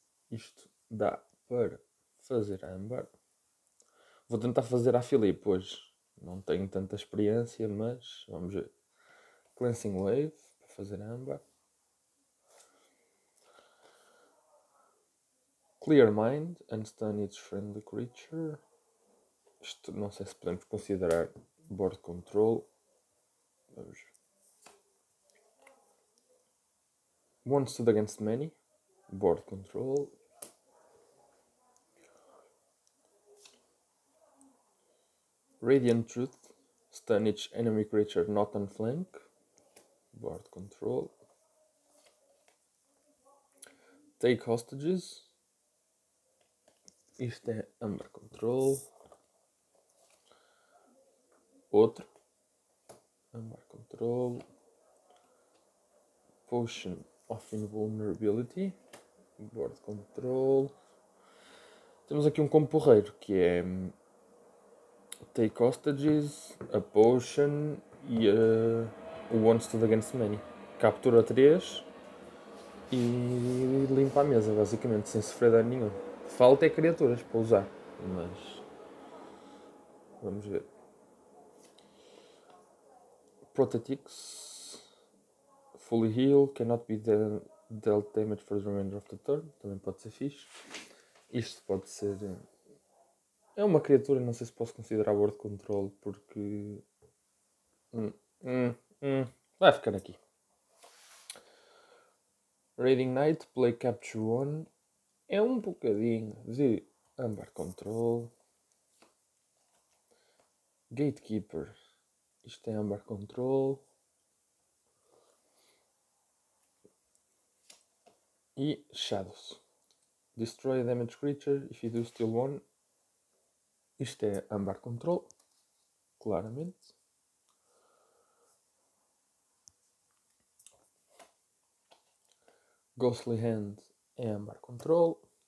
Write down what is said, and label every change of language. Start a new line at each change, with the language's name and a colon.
Portuguese: Isto dá para fazer Amber. Vou tentar fazer à Filipe hoje. Não tenho tanta experiência, mas vamos ver. Cleansing Wave para fazer Amber.
English: Clear Mind and Stun each friendly creature.
Portuguese: Isto não sei se podemos considerar Board Control. Vamos ver.
English: One Stood Against Many. Board Control. Radiant Truth, stun each enemy creature not on flank. Board control.
Portuguese: Take hostages. Isto é Amber control. Outro. Amber control.
English: Potion of invulnerability. Board control.
Portuguese: Temos aqui um combo porreiro que é Take Hostages, a Potion e o One Stood Against Many. Captura 3 e limpa a mesa, basicamente, sem sofrer dano nenhum. Falta é criaturas para usar, mas vamos ver.
English: Protetix, Fully Heal, cannot be dealt damage for the remainder of the turn.
Portuguese: Também pode ser fixe. Isto pode ser. É uma criatura, não sei se posso considerar board control, porque vai ficar aqui. Raiding Knight,
English: play Capture One.
Portuguese: É um bocadinho de Amber control. Gatekeeper, isto é Amber control. E Shadows.
English: Destroy a damaged creature if you do steal one.
Portuguese: Isto é Amber Control, claramente. Ghostly Hand é Amber Control.